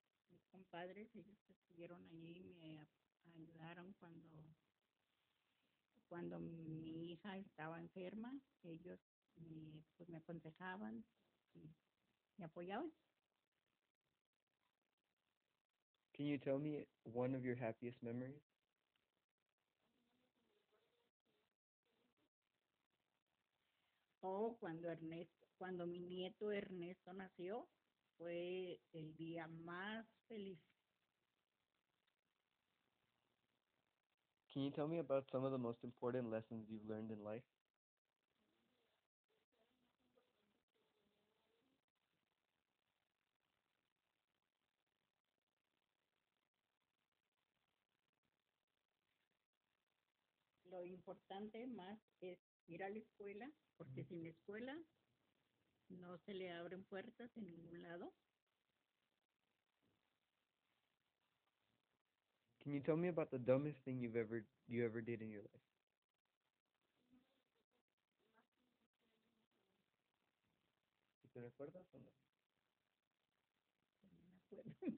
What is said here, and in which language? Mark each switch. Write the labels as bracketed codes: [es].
[es] Mis compadres, ellos estuvieron allí y me ayudaron cuando mi hija estaba enferma, ellos me aconsejaban y me apoyaban. [en] Can you tell me one of your happiest memories? [es] Oh, cuando mi nieto Ernesto nació, fue el día más feliz. [en] Can you tell me about some of the most important lessons you've learned in life? [es] Lo importante más es ir a la escuela, porque sin la escuela no se le abren puertas en ningún lado. [en] Can you tell me about the dumbest thing you ever did in your life? [es] ¿Te recuerdas o no? No me acuerdo.